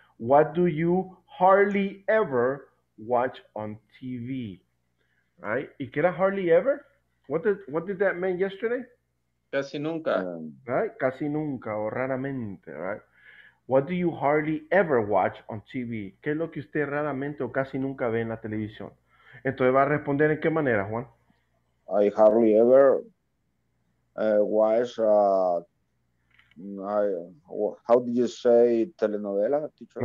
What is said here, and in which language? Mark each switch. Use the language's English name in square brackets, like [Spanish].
[English] What do you hardly ever watch on TV, right? [Spanish] ¿Y qué era [English] hardly ever? What did that mean yesterday? [Spanish] Casi nunca. Right? Casi nunca o raramente, right? [English] What do you hardly ever watch on TV? [Spanish] ¿Qué es lo que usted raramente o casi nunca ve en la televisión? Entonces va a responder en qué manera, Juan. [English] I hardly ever watch how did you say telenovela, teacher?